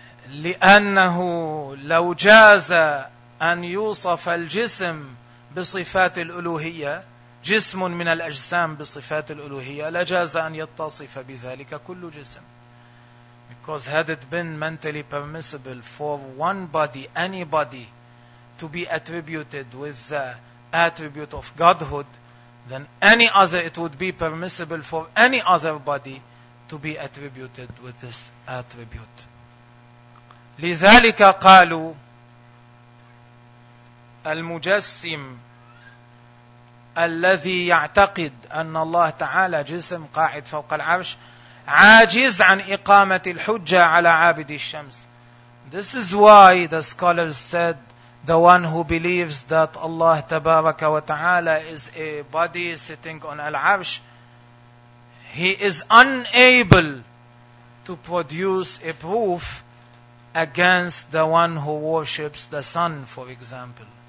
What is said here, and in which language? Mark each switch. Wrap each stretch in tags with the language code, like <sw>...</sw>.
<ar>لأنه لو جاز أن يوصف الجسم بصفات الألوهية, جسم من الأجسام بصفات الألوهية, لجاز أن يتصف بذلك كل جسم.</ar> <en>Because had it been mentally permissible for one body, any body, to be attributed with the attribute of Godhood, then any other, it would be permissible for any other body to be attributed with this attribute.</en> <ar>لذلك قالوا المجسم الذي يعتقد أن الله تعالى جسم قاعد فوق العرش عاجز عن إقامة الحجة على عابد الشمس.</ar> <en>This is why the scholars said The one who believes that Allah Tabaraka wa Ta'ala is a body sitting on Al-Arsh, he is unable to produce a proof against the one who worships the sun, for example.</en>